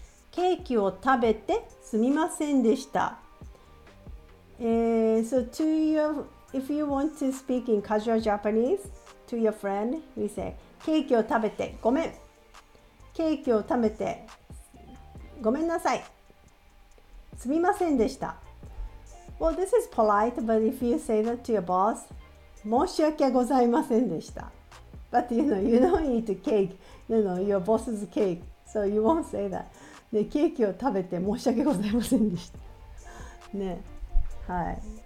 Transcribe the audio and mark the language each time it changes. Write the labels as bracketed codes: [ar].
[ja] ケーキを食べてすみませんでした。 [en] So to your, if you want to speak in casual Japanese to your friend, we say [ja] ケーキを食べてごめん。ケーキを食べてごめんなさい。すみませんでした。 [en] Well, this is polite, but if you say that to your boss, [ja] 申し訳ございませんでした。 [en] But you know, you don't eat cake, you know, your boss's cake, so you won't say that. [ja] でケーキを食べて申し訳ございませんでしたね、はい。